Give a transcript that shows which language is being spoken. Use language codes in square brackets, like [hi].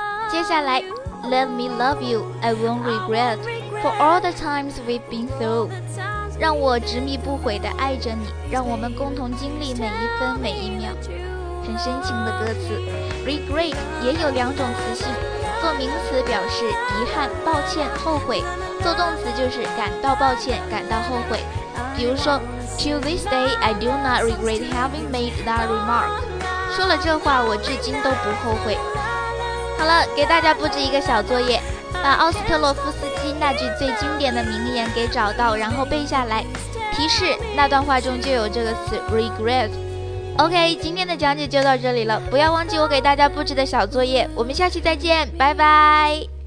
[zh] 接下来 [en] Let me love you, I won't regret for all the times we've been through. [zh] 让我执迷不悔地爱着你，让我们共同经历每一分每一秒。很深情的歌词。Regret 也有两种词性，做名词表示遗憾、抱歉、后悔，做动词就是感到抱歉、感到后悔。 [en] 比如说 To this day I do not regret having made that remark. [zh] 说了这话我至今都不后悔。好了，给大家布置一个小作业，把奥斯特洛夫斯基那句最经典的名言给找到，然后背下来。提示，那段话中就有这个词 regret。OK， 今天的讲解就到这里了，不要忘记我给大家布置的小作业，我们下期再见，拜拜。